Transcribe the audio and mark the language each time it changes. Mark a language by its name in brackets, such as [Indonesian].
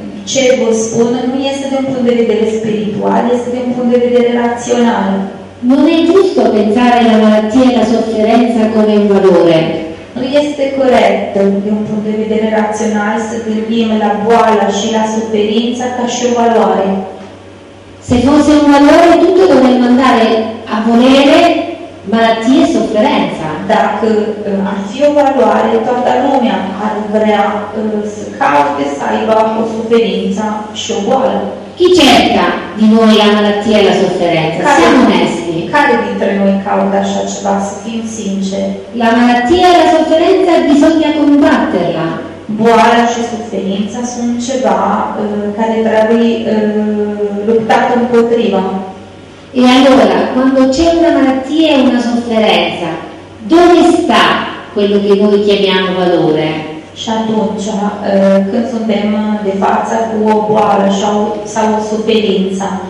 [Romanian] Ce vă spun nu este de un punct de vedere spiritual, este de un punct de vedere rațional. [Italian] Non è giusto pensare la malattia e la sofferenza come un valore. [Romanian] Nu este corect, de un punct de vedere rațional, să gândim la boală și la suferință ca și o valoare. [Italian] Se fosse un valore, tutto dovremmo andare a volere malattie e sofferenza. [Romanian] Dacă ar fi o valoare, toată lumea ar vrea să caute, să aibă o suferință și o boală. [Italian] Chi cerca di noi la malattia e la sofferenza? Siamo onesti. [Romanian] Care dintre noi caută așa ceva, să fim sinceri? [Italian] La malattia e la sofferenza bisogna combatterla. [Romanian] Boala și suferința sunt ceva care trebuie luptat împotriva. [Italian] E allora, quando c'è una malattia e una sofferenza, dove sta quello che noi chiamiamo valore? [Romanian] Și atunci, când suntem de față cu o boală sau o suferință,